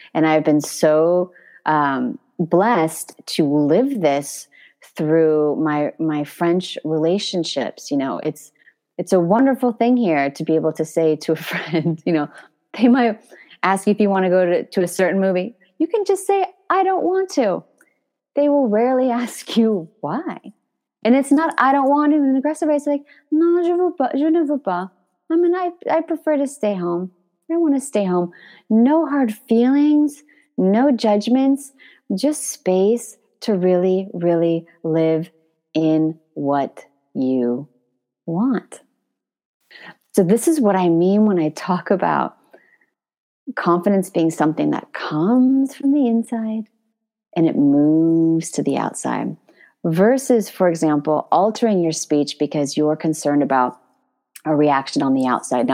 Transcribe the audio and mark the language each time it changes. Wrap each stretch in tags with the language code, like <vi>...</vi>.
<en>And I've been so blessed to live this through my French relationships. You know, it's a wonderful thing here to be able to say to a friend, you know, they might ask you if you want to go to a certain movie, you can just say, I don't want to. They will rarely ask you why. And it's not, I don't want to, in an aggressive way.</en> <fr>It's like, non, je veux pas, je ne veux pas.</fr> <en>I mean, I prefer to stay home. I want to stay home. No hard feelings, no judgments, just space to really, really live in what you want. So this is what I mean when I talk about confidence being something that comes from the inside and it moves to the outside versus, for example, altering your speech because you're concerned about a reaction on the outside.</en>